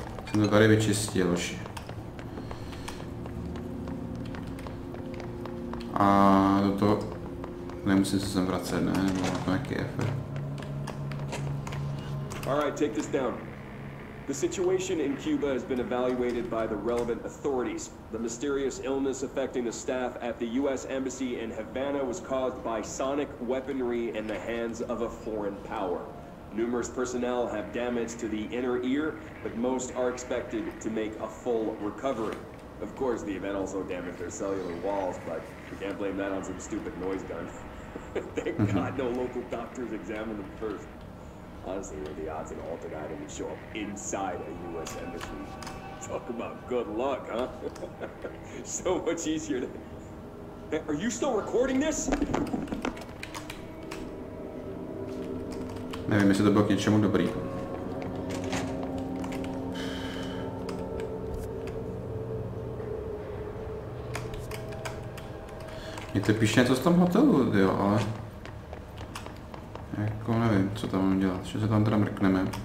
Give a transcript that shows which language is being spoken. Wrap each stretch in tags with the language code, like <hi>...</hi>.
<cs>Jsem to tady vyčistil, hoši. A toto... Nemusím se sem vracet, ne? Nebo to nějaký efekt.</cs> <en>Alright, take this down. The situation in Cuba has been evaluated by the relevant authorities. The mysterious illness affecting the staff at the US Embassy in Havana was caused by sonic weaponry in the hands of a foreign power. Numerous personnel have damage to the inner ear, but most are expected to make a full recovery. Of course, the event also damaged their cellular walls, but you can't blame that on some stupid noise gun. Thank God no local doctors examined them first. Honestly, what are the odds an altar guy didn't show up inside a U.S. embassy? Talk about good luck, huh? So much easier to... Are you still recording this?</en> <cs>Nevím, jestli to bylo k něčemu dobrý. Mně to píše něco z tom hotelu, jo, ale... Jako nevím, co tam mám dělat, že se tam teda mrkneme.</cs>